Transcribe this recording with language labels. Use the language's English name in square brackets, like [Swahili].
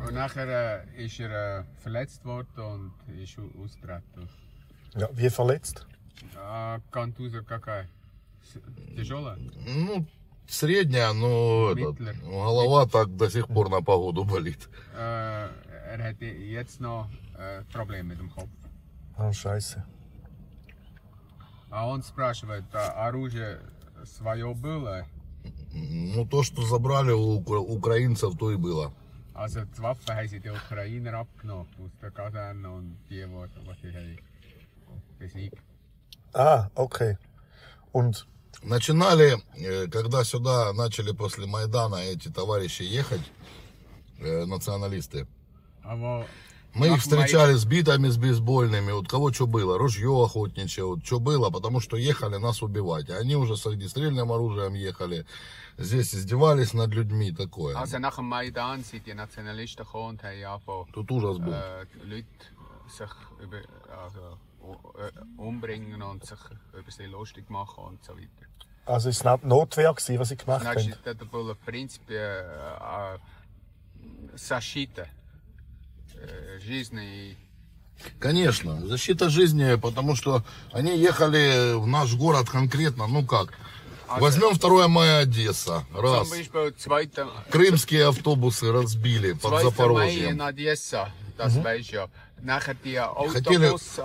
[German] Und nachher ist er verletzt worden und ist ausgetreten. Ja, wie verletzt? [Russian] Контузия какая? Тяжелая? Ну, средняя, но голова так до сих пор на погоду болит. [German] Er hat jetzt noch Probleme mit dem Kopf. Oh, scheiße. [Russian] А он спрашивает, оружие свое было? Ну, то, что забрали у украинцев, то и было. [German] Also, die Waffen haben sie die Ukrainer abgenommen, aus der Kaserne und die, die sie haben besiegt. Ah, okay. Und? [Russian] Начинали, когда сюда начали после Майдана эти товарищи ехать, националисты, мы их встречали с битами, с бейсбольными, вот кого что было, ружье охотничье, вот что было, потому что ехали нас убивать. Они уже с огнестрельным оружием ехали, здесь издевались над людьми, такое. [German] Also, nach dem Майдан sind die Nationalisten gekommen und haben angefangen, [Russian] тут ужас был. [German] Leute sich über, also, umbringen und sich über sie lustig machen und so weiter. Also es war Notwehr, was sie gemacht haben? Nein, das war prinzipiell защита. [Russian] Жизни. Конечно, защита жизни, потому что они ехали в наш город конкретно, ну как. Also, возьмем 2 мая Одесса, раз. Крымские автобусы разбили под Запорожьем. 2 мая Одесса, [German] das weiß ja. Nachher die Autobus [Russian] хотели...